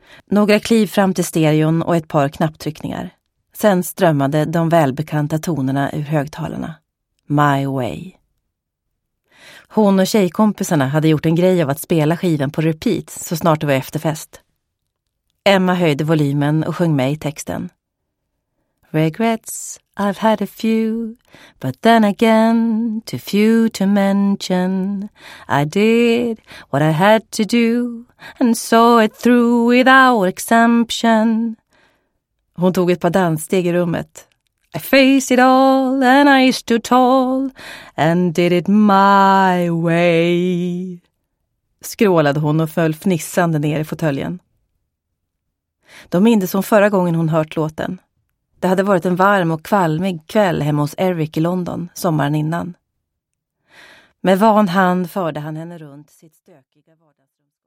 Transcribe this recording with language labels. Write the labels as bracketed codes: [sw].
[sv] Några kliv fram till stereon och ett par knapptryckningar. Sen strömmade de välbekanta tonerna ur högtalarna. My Way. Hon och tjejkompisarna hade gjort en grej av att spela skivan på repeat så snart det var efterfest. Emma höjde volymen och sjöng med i texten. [en] Regrets, I've had a few, but then again, too few to mention. I did what I had to do, and saw it through without exemption. [sv] Hon tog ett par danssteg i rummet. [en] I faced it all, and I stood tall, and did it my way. [sv] Skrålade hon och föll fnissande ner i fåtöljen. De mindes hon förra gången hon hört låten. Det hade varit en varm och kvalmig kväll hemma hos Eric i London sommaren innan. Med van hand förde han henne runt sitt stökiga vardagsrum.